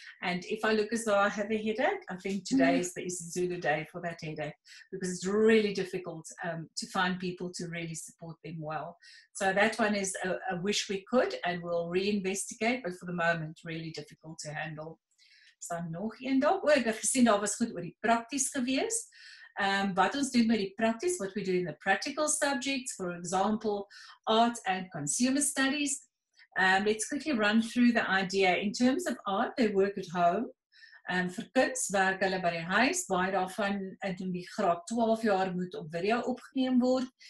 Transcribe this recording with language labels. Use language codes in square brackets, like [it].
[en] And if I look as though I have a headache, I think today is the isiZulu day for that headache, because it's really difficult to find people to really support them well. So that one is a wish we could, and we'll reinvestigate, but for the moment, really difficult to handle. [af] So nog een dag. O, ek het gesien daar was goed oor die prakties gewees. Wat ons doen met die prakties, [en] what we do in the practical subjects, for example, art and consumer studies. Let's quickly run through the idea. In terms of art, they work at home. [af] Vir kids werk hulle by die huis, baie daarvan in die graad 12 jaar moet op video opgeneem word.